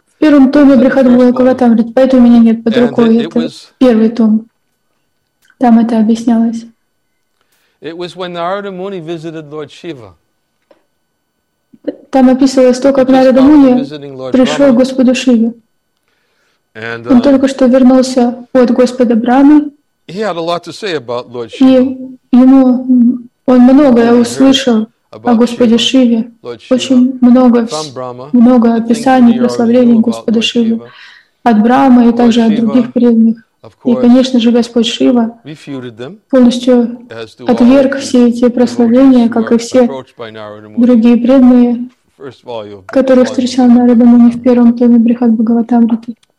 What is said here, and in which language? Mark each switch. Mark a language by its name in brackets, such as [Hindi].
[Russian] В первом томе Брихад Бхагаватамрита, поэтому у меня нет под рукой. Это первый том. Там это объяснялось. [English] It was when Narada Muni visited Lord Shiva. [Russian] Там описывалось то, как Нарада Муни пришел к Господу Шиве. Он только что вернулся от Господа Брамы. [English] He had a lot to say about Lord Shiva. [Russian] Ему он многое услышал о Господе Шиве. Очень много описаний, прославлений Господа Шивы от Брамы и также от других преданных. И, конечно же, Господь Шива полностью отверг все эти прославления, как и все другие преданные, которые встречал Нарада Муни в первом томе Брихад Бхагаватамриты.